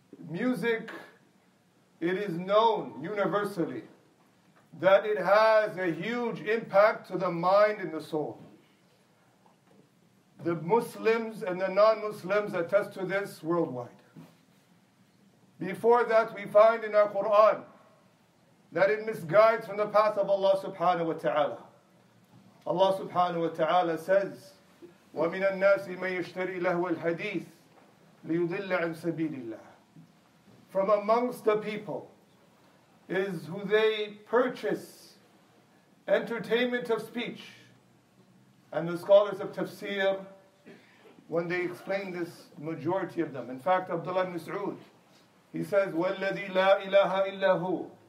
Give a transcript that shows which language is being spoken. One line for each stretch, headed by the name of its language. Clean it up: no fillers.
English: Music, it is known universally that it has a huge impact to the mind and the soul. The Muslims and the non-Muslims attest to this worldwide. Before that, we find in our Quran that it misguides from the path of Allah subhanahu wa ta'ala.
Arabic: Allah subhanahu wa ta'ala says, وَمِنَ النَّاسِ مَنْ يَشْتَرِي لَهُوَ الْحَدِيثِ لِيُضِلَّ عَنْ سَبِيلِ اللَّهِ.
English: From amongst the people is who they purchase entertainment of speech. And the scholars of tafsir, when they explain this, majority of them, in fact, Abdullah ibn Mas'ud, he says,
Arabic: وَالَّذِي لَا إِلَهَ إِلَّا هُوَ.